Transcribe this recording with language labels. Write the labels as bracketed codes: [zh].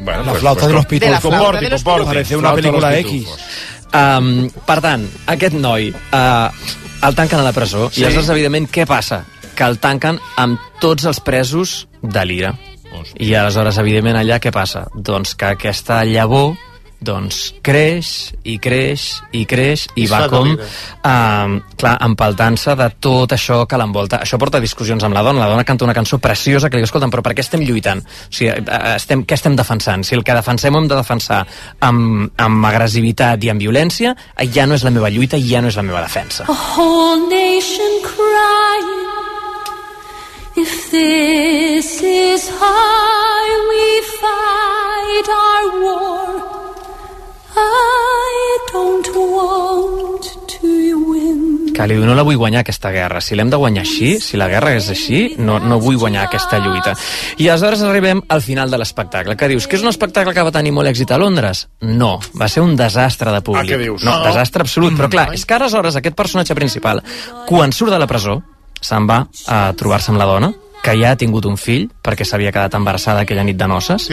[es] Bueno, la flauta de los Pitufos. De la flauta de los Pitufos. Parece una película X. [ca] Per tant, aquest noi el tanquen a la presó, sí. I aleshores, evidentment, què passa? Que el tanquen amb tots els presos de l'ira. I aleshores, evidentment, allà què passa? Doncs que aquesta llavor creix i creix i creix i va com empaltant-se de tot això que l'envolta. Això porta discussions amb la dona canta una cançó preciosa que li escolten, però per què estem lluitant? O sigui, què estem defensant? Si el que defensem ho hem de defensar amb agressivitat i amb violència, ja no és la meva lluita i ja no és la meva defensa. [en] A whole nation crying, if this is how we fight our war, I don't want to win. [ca] Cali, no la vull guanyar aquesta guerra. Si l'hem de guanyar així, si la guerra és així, no vull guanyar aquesta lluita. I aleshores arribem al final de l'espectacle. Que dius, que és un espectacle que va tenir molt èxit a Londres? No, va ser un desastre de públic. Ah, què dius? No, desastre absolut. Però clar, és que aleshores aquest personatge principal, quan surt de la presó, se'n va a trobar-se amb la dona, que ja ha tingut un fill, perquè s'havia quedat embarassada aquella nit de noces.